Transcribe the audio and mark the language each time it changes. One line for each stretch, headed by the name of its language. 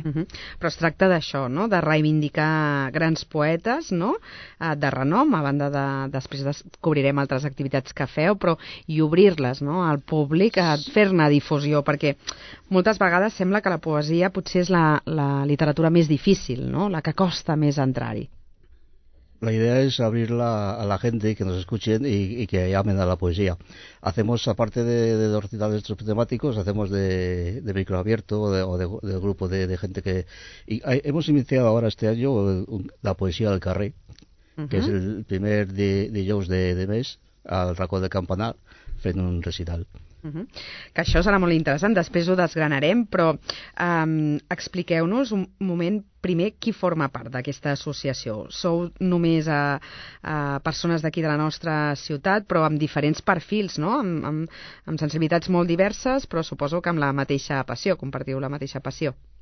Catalan: Uh-huh. Però es tracta d'això, no? De reivindicar grans poetes, no? De renom, a banda de... Després descobrirem altres activitats que feu, però i obrir-les, no? Al públic, a fer-ne difusió, perquè moltes vegades sembla que la poesia potser és la literatura més difícil, no? La que costa més entrar-hi.
Spanish: La idea es abrirla a la gente, que nos escuchen y que llamen a la poesía. Hacemos, aparte de los recitales temáticos, hacemos de micro abierto o de grupo de gente que... Y hemos iniciado ahora este año la poesía del carrer, que es el
Catalan: primer dijous de mes al racó de Campanar, fent un recital. Que això serà molt interessant, després ho desgranarem, però expliqueu-nos un moment, primer, qui forma part d'aquesta associació. Sou només a persones d'aquí de la nostra ciutat, però amb diferents perfils, no? Amb sensibilitats molt diverses, però suposo que amb la mateixa passió, compartiu la mateixa passió.